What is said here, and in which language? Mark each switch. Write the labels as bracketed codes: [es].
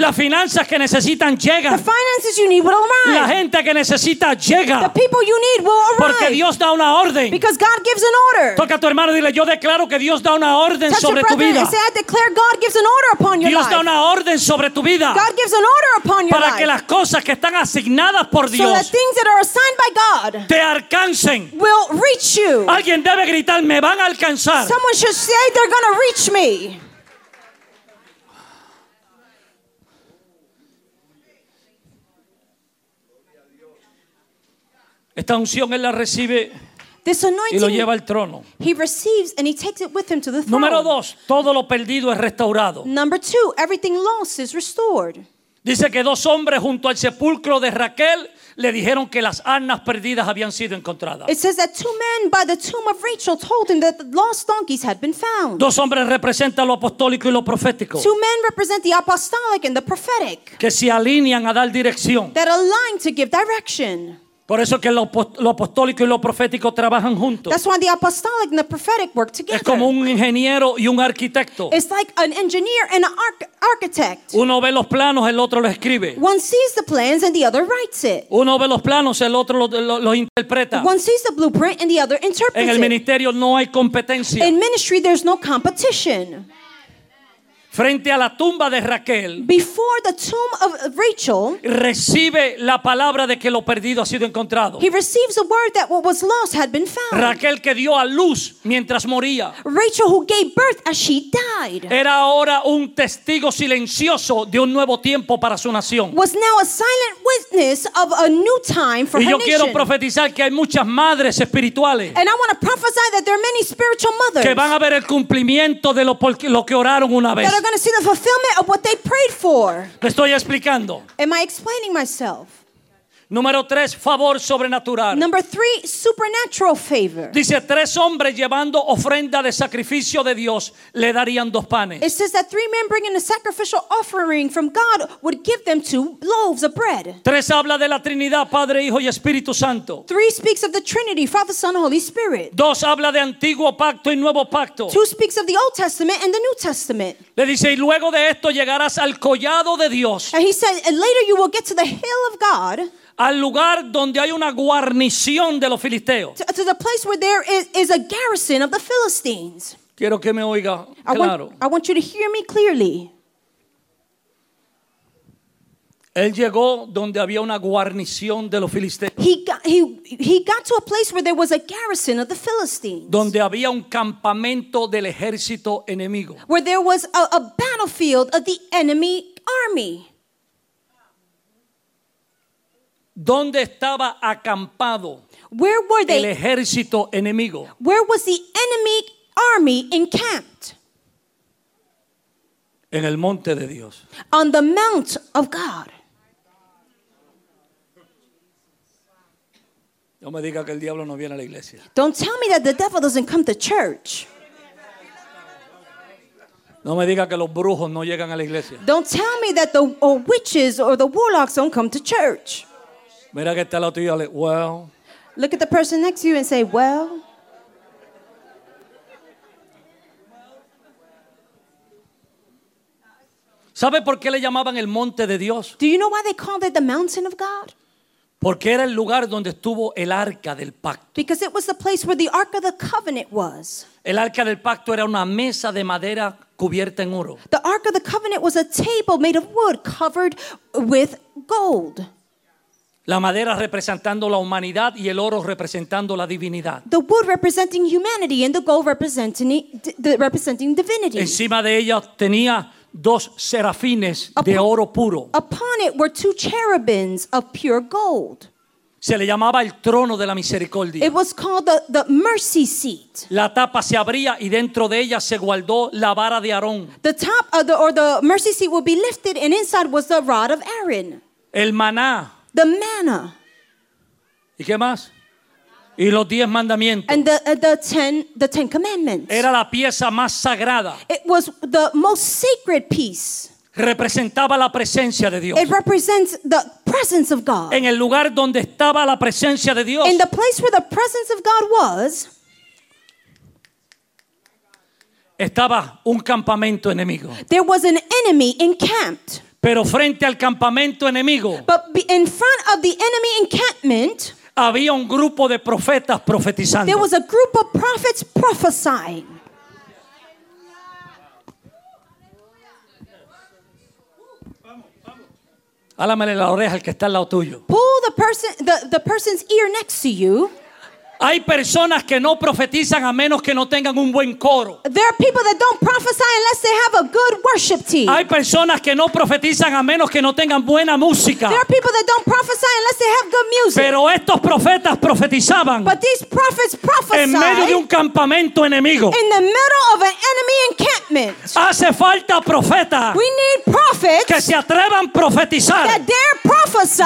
[es] Las finanzas que necesitan llegan. [en] The finances you need will arrive. [es] La gente que necesita llega. [en] The people you need will arrive. [es] Porque Dios da una orden. [en] Because God gives an order. [es] Toca a tu hermano y dile, yo declaro que Dios da una orden sobre tu vida. [en] Touch your brother and say, I declare God gives an order upon your [es] Dios [en] life. [es] Dios da una orden sobre tu vida. [en] God gives an order upon your [es] para [en] life. [es] Que las cosas que están asignadas por Dios, [en] so the things that are assigned by God [es] te alcancen, [en] will reach you. [es] Alguien debe gritar, me van a alcanzar. [en] Someone should say they're going to reach me. [es] Esta unción él la recibe. [en] This anointing, [es] y lo lleva al trono. [en] He receives and he takes it with him to the throne. [es] Número dos, todo lo perdido es restaurado. [en] Number two, everything lost is restored. [es] Dice que dos hombres junto al sepulcro de Raquel le dijeron que las asnas perdidas habían sido encontradas. [en] It says that two men by the tomb of Rachel told him that the lost donkeys had been found. [es] Dos hombres representan lo apostólico y lo profético. [en] Two men represent the apostolic and the prophetic. [es] Que se alinean a dar dirección. [en] That align to give direction. [es] Por eso que lo apostólico y lo profético trabajan juntos. [en] That's why the apostolic and the prophetic work together. [es] Es como un ingeniero y un arquitecto. [en] It's like an engineer and an architect. [es] Uno ve los planos, el otro los escribe. [en] One sees the plans and the other writes it. [es] Uno ve los planos, el otro los interpreta. [en] One sees the blueprint and the other interprets it. [es] En el ministerio no hay competencia. [en] In ministry there's no competition. [es] Frente a la tumba de Raquel, [en] before the tomb of Rachel, [es] recibe la palabra de que lo perdido ha sido encontrado. [en] He receives the word that what was lost had been found. [es] Raquel que dio a luz mientras moría. [en] Rachel who gave birth as she died. [es] Era ahora un testigo silencioso de un nuevo tiempo para su nación. [en] Was now a silent witness of a new time for nation. [es] Y yo quiero profetizar que hay muchas madres espirituales. [en] And I want to prophesy that there are many spiritual mothers. [es] Que van a ver el cumplimiento de lo que oraron una vez. [en] They're going to see the fulfillment of what they prayed for. [es] Me estoy explicando. [en] Am I explaining myself? [es] Número tres, favor sobrenatural. [en] Number three, supernatural favor. [es] Dice tres hombres llevando ofrenda de sacrificio de Dios le darían dos panes. [en] It says that three men bringing a sacrificial offering from God would give them two loaves of bread. [es] Tres habla de la Trinidad, Padre, Hijo y Espíritu Santo. [en] Three speaks of the Trinity, Father, Son, Holy Spirit. [es] Dos habla de antiguo pacto y nuevo pacto. [en] Two speaks of the Old Testament and the New Testament. [es] Le dice, y luego de esto llegarás al collado de Dios. [en] And he said, and later you will get to the hill of God. [es] Al lugar donde hay una guarnición de los filisteos. [en] To the place where there is a garrison of the Philistines. [es] Quiero que me oiga claro. [en] I want you to hear me clearly. [es] Él llegó donde había una guarnición de los filisteos. [en] He got to a place where there was a garrison of the Philistines. [es] Donde había un campamento del ejército enemigo. [en] Where there was a battlefield of the enemy army. [es] ¿Dónde estaba acampado el ejército enemigo? [en] Where was the enemy army encamped? [es] En el monte de Dios. [en] On the mount of God. [es] No me diga que el diablo no viene a la iglesia. [en] Don't tell me that the devil doesn't come to church. [es] No me diga que los brujos no llegan a la iglesia. [en] Don't tell me that the witches or the warlocks don't come to church. [es] Mira que está la tuya, well. [en] Look at the person next to you and say, well. [es] ¿Sabe por qué le llamaban el monte de Dios? [en] Do you know why they called it the mountain of God? [es] Porque era el lugar donde estuvo el arca del pacto. [en] Because it was the place where the ark of the covenant was. [es] El arca del pacto era una mesa de madera cubierta en oro. [en] The Ark of the Covenant was a table made of wood covered with gold. [es] La madera representando la humanidad y el oro representando la divinidad. [en] The wood representing humanity and the gold representing divinity. [es] Encima de ella tenía dos serafines de oro puro. [en] Upon it were two cherubims of pure gold. [es] Se le llamaba el trono de la misericordia. [en] It was called the mercy seat. [es] La tapa se abría y dentro de ella se guardó la vara de Aarón. [en] The top of the mercy seat would be lifted and inside was the rod of Aaron. [es] El maná. [en] The manna. [es] ¿Y qué más? Y los diez mandamientos. [en] And the ten commandments. [es] Era la pieza más sagrada. [en] It was the most sacred piece. [es] Representaba la presencia de Dios. [en] It represents the presence of God. [es] En el lugar donde estaba la presencia de Dios. [en] In the place where the presence of God was. [es] Estaba un campamento enemigo. [en] There was an enemy encamped. [es] Pero frente al campamento enemigo. [en] But in front of the enemy encampment. [es] Había un grupo de profetas profetizando. [en] There was a group of prophets prophesying. [es] Álamele la oreja al que está al lado tuyo. [en] Pull the person's ear next to you. [es] Hay personas que no profetizan a menos que no tengan un buen coro. [en] There are people that don't prophesy unless they have a good worship team. [es] Hay personas que no profetizan a menos que no tengan buena música. [en] There are people that don't prophesy unless they have good music. [es] Pero estos profetas profetizaban. [en] But these prophets prophesied. [es] En medio de un campamento enemigo. [en] In the middle of an enemy encampment. [es] Hace falta profetas. [en] We need prophets. [es] Que se atrevan a profetizar. [en] That dare prophesy.